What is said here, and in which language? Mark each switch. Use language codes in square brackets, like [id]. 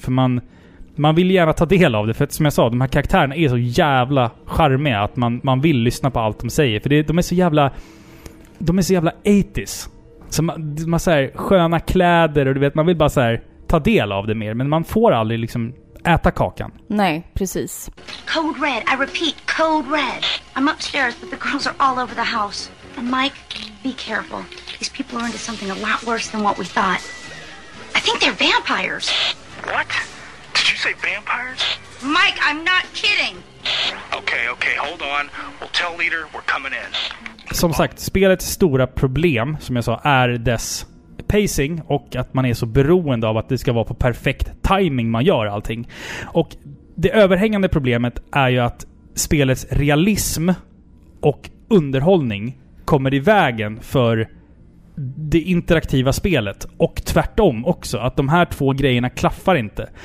[sv] För man vill gärna ta del av det, för att, som jag sa, de här karaktärerna är så jävla charmiga att man vill lyssna på allt de säger, för de är så jävla 80s. Så man så här, sköna kläder och du vet, man vill bara så här, ta del av det mer, men man får aldrig liksom äta kakan. Nej, precis. [en] Code red, I repeat, code red. I'm upstairs but the girls are all over the house. And Mike, be careful. These people are into something a lot worse than what we thought. I think they're vampires. What? Did you say vampires? Mike, I'm not kidding. Okay, hold on. We'll tell leader we're coming in. [sv] Som sagt, spelets stora problem, som jag sa, är dess pacing och att man är så beroende av att det ska vara på perfekt timing man gör allting. Och det överhängande problemet är ju att spelets realism och underhållning kommer i vägen för det interaktiva spelet, och tvärtom också, att de här två grejerna klaffar inte.